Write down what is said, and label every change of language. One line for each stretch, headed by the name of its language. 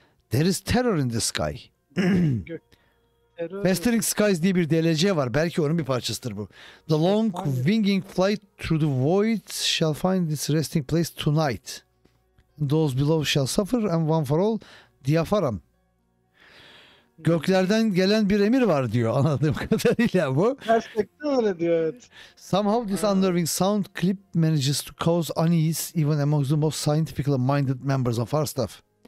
English: There is terror in the sky.
Turkish: Gök. Terör. Festering Skies diye bir DLC var. Belki onun bir parçasıdır bu.
English: The long
Turkish: Efendim.
English: winging flight through the void shall find its resting place tonight. Those below shall suffer and one for all. Diafaram.
Turkish: Göklerden gelen bir emir var diyor anladığım kadarıyla bu. Gerçekten öyle diyor, evet.
English: Somehow this unnerving sound clip manages to cause unease even amongst the most scientifically minded members of our staff.